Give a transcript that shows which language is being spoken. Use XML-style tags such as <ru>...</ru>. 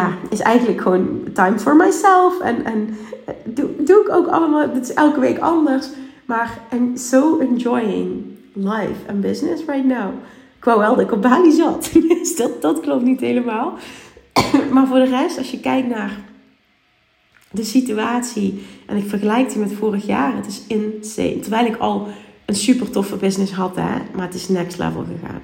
<nl>Is eigenlijk gewoon</nl> <en>time for myself.</en> <nl>En doe ik ook allemaal. Het is elke week anders. Maar</nl> <en>I'm so enjoying life and business right now.</en> <nl>Ik wou wel dat ik op Bali zat. Dus dat klopt niet helemaal. Maar voor de rest, als je kijkt naar de situatie en ik vergelijk die met vorig jaar, het is insane. Terwijl ik al een super toffe business had, hè, maar het is</nl> <en>next level</en> <nl>gegaan.</nl>